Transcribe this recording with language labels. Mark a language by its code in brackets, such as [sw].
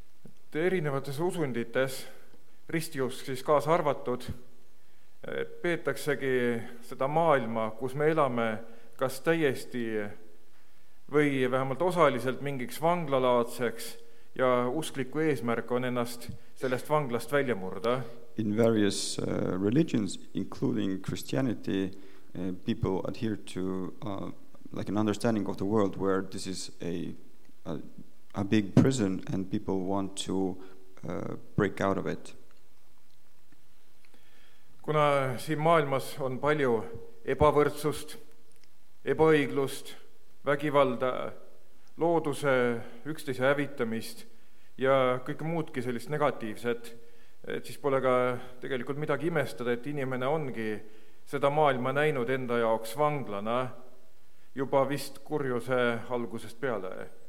[et] Et erinevates usundites, ristiusk siis kaas arvatud, peetaksegi seda maailma, kus me elame, kas täiesti või vähemalt osaliselt mingiks vanglalaadseks ja uskliku eesmärk on ennast sellest vanglast välja murda. [en] In various religions, including Christianity, people adhere to like an understanding of the world where this is a big prison and people want to break out of it. [et] Kuna siin maailmas on palju ebavõrdsust, ebaõiglust, vägivalda, looduse, üksteise hävitamist ja kõik muudki sellist negatiivset, et siis pole ka tegelikult midagi imestada, et inimene ongi seda maailma näinud enda jaoks vanglana juba vist kurjuse algusest peale.